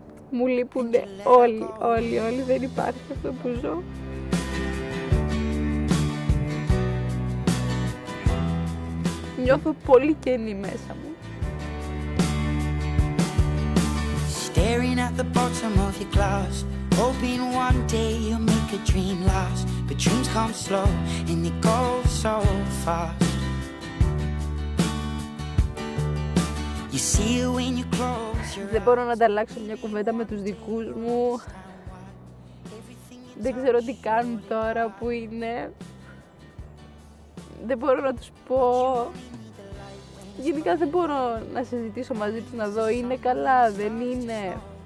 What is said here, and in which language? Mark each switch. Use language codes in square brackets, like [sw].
[el] Μου λείπουν όλοι, δεν υπάρχει αυτό που ζω. Νιώθω πολύ κενή μέσα μου. [en] Staring at the bottom of your glass, hoping one day you'll make a dream last. But dreams come slow and they go so fast. You see it when you close your eyes. [el] Δεν μπορώ να ανταλλάξω μια κουβέντα με τους δικούς μου. Δεν ξέρω τι κάνουν τώρα που είναι. Δεν μπορώ να τους πω. Γενικά δεν μπορώ να συζητήσω μαζί τους, να δω είναι καλά, δεν είναι.